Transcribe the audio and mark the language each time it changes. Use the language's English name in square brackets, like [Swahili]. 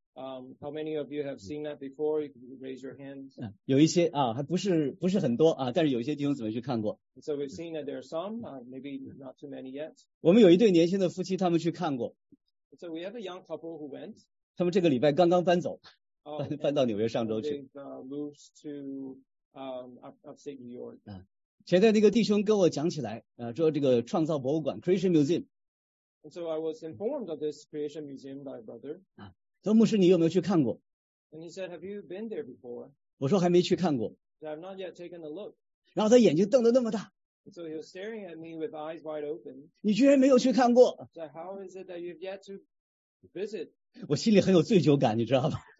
[English] How many of you have seen that before? You can raise your hands. [Chinese] 有一些啊，还不是很多啊，但是有一些弟兄姊妹去看过。 [English] So we've seen that there are some, maybe not too many yet. [Chinese] 我们有一对年轻的夫妻，他们去看过。 [English] So we have a young couple who went. [Chinese] 他们这个礼拜刚刚搬走。搬到纽约上周去。 [English] Moves to upstate New York. [Chinese] 前天那个弟兄跟我讲起来，说这个创造博物馆 Creation Museum. [English] And so I was informed of this Creation Museum by a brother. [Chinese] 说牧师你有没有去看过？ [English] And he said, "Have you been there before?" [Chinese] 我说还没去看过。 [English] So I've not yet taken a look. [Chinese] 然后他眼睛瞪得那么大。 [English] And so he was staring at me with eyes wide open. [Chinese] 你居然没有去看过？ [English] So how is it that you've yet to visit? [Chinese] 我心里很有罪疚感，你知道吗？